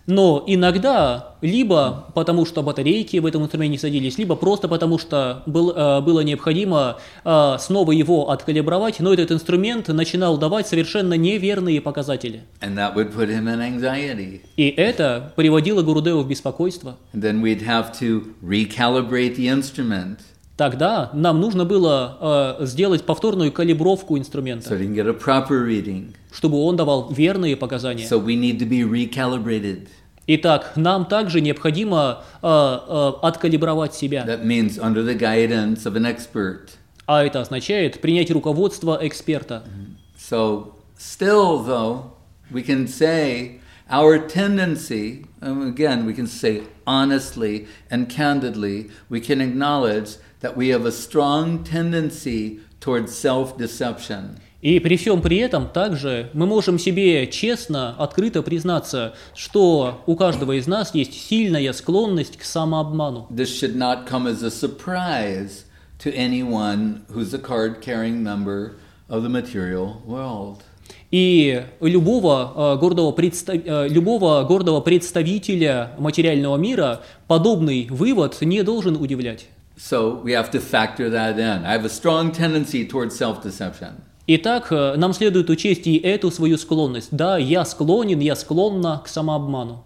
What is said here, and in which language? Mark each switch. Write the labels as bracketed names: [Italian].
[Russian] Но иногда, либо потому что батарейки в этом инструменте не садились, либо просто потому что было необходимо снова его откалибровать, но этот инструмент начинал давать совершенно неверные показатели. [English] And that would put him in anxiety. [Russian] И это приводило Гурудеву в беспокойство. [English] And then we'd have to recalibrate the instrument. [Russian] Тогда нам нужно было сделать повторную калибровку инструмента, [English] so he can get a proper reading. [Russian] Чтобы он давал верные показания. [English] So we need to be recalibrated. [Russian] Итак, нам также необходимо откалибровать себя. [English] That means under the guidance of an expert. [Russian] А это означает принять руководство эксперта. [English] So still though, we can say our tendency, again, we can say honestly and candidly, we can acknowledge that we have a strong tendency towards self-deception. [Russian] И при всем при этом также мы можем себе честно, открыто признаться, что у каждого из нас есть сильная склонность к самообману. [English] This should not come as a surprise to anyone who's a card-carrying member of the material world. [Russian] И любого гордого представителя материального мира подобный вывод не должен удивлять. [English] So we have to factor that in. I have a strong tendency towards self-deception. [Russian] Итак, нам следует учесть и эту свою склонность. Да, я склонна к самообману.